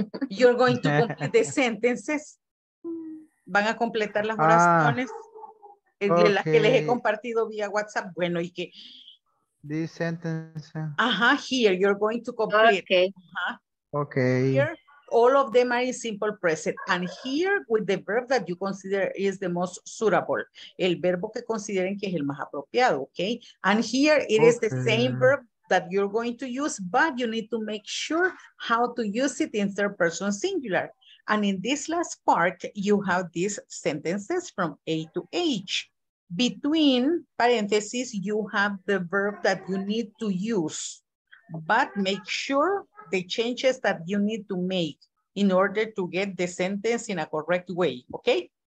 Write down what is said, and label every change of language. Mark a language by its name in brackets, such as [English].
[English] You're going to complete the sentences. [Spanish] Van a completar las oraciones. [English] Okay. [Spanish] Las que les he compartido vía WhatsApp. Bueno, y que. [English] This sentence. Ajá, here you're going to complete. Okay. Okay. Here, all of them are in simple present. And here with the verb that you consider is the most suitable. [Spanish] El verbo que consideren que es el más apropiado. [English] Okay. And here it is the same verb that you're going to use, but you need to make sure how to use it in third person singular. And in this last part, you have these sentences from A to H. Between parentheses, you have the verb that you need to use, but make sure the changes that you need to make in order to get the sentence in a correct way, okay?